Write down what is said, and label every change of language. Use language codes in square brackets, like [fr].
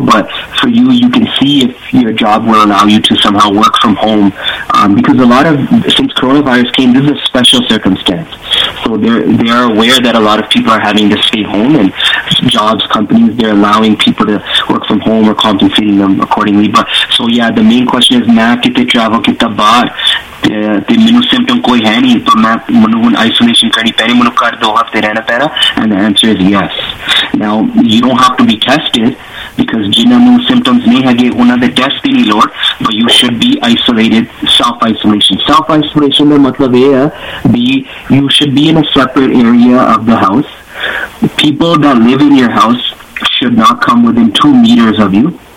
[en] But for you, you can see if your job will allow you to somehow work from home, because a lot of, since coronavirus came, this is a special circumstance. So they are aware that a lot of people are having to stay home, and jobs, companies, they're allowing people to work from home or compensating them accordingly. But so yeah, the main question is, [pa] ਮੈਂ ਕਿਤੇ travel ਕਿਤੇ ਬਾਹਰ, ਤੇ ਮੈਨੂੰ symptom ਕੋਈ ਹੈ ਨਹੀਂ, ਤਾਂ ਮੈਨੂੰ ਹੁਣ isolation ਕਰਨੀ ਪੈਣੀ, ਮੈਨੂੰ ਘਰ 2 ਹਫ਼ਤੇ ਰਹਿਣਾ ਪੈਣਾ? [en] And the answer is yes. Now, you don't have to be tested, because [pa] ਜਿਹਨਾਂ ਨੂੰ symptoms ਨਹੀਂ ਹੈਗੇ ਉਹਨਾਂ ਦੇ test ਦੀ ਨਹੀਂ ਲੋੜ, [en] but you should be isolated, self-isolation. Self-isolation [pa] ਦਾ ਮਤਲਬ ਇਹ ਹੈ ਵੀ [en] you should be in a separate area of the house. People that live in your house should not come within 2 meters of you.